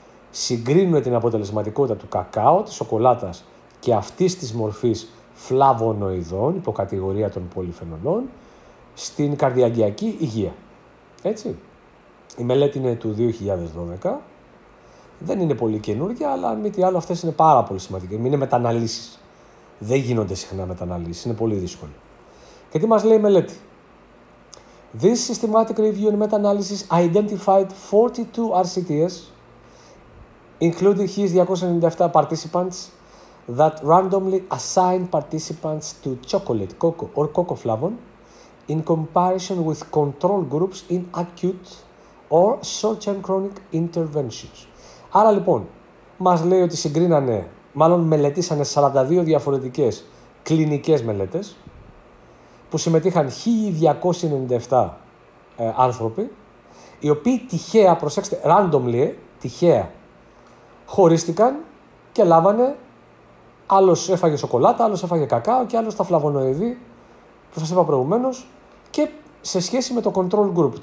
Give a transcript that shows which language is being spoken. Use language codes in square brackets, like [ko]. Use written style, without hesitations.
[el] Συγκρίνουν την αποτελεσματικότητα του κακάο, της σοκολάτας και αυτής της μορφής φλαβονοειδών, υποκατηγορία των πολυφενολών, στην καρδιαγγειακή υγεία. Έτσι. Η μελέτη είναι του 2012. Δεν είναι πολύ καινούργια, αλλά μη τι άλλο, αυτές είναι πάρα πολύ σημαντικές. Είναι μεταναλύσεις. Δεν γίνονται συχνά μεταναλύσεις. Είναι πολύ δύσκολο. Και τι μας λέει η μελέτη? [en] This systematic review and meta-analysis identified 42 RCTs, including his 297 participants, that randomly assigned participants to chocolate, cocoa or cocoa flavon in comparison with control groups in acute or short-term chronic interventions. [el] Άρα λοιπόν, μας λέει ότι συγκρίνανε, μάλλον μελετήσανε 42 διαφορετικές κλινικές μελέτες που συμμετείχαν 1.297 άνθρωποι, οι οποίοι τυχαία, προσέξτε, randomly, τυχαία, χωρίστηκαν και λάβανε, άλλος έφαγε σοκολάτα, άλλος έφαγε κακάο και άλλος τα φλαβονοειδή που σας είπα προηγουμένως, και σε σχέση με το control group.